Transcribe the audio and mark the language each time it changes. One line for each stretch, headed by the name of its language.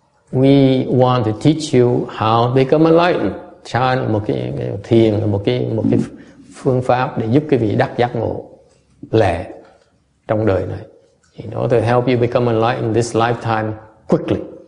English: We want to teach you how to become enlightened.
Vietnamese: Chan một cái thiền là một cái phương pháp để giúp quý vị đắc giác ngộ lẹ trong đời này.
English: In order to help you become enlightened this lifetime quickly.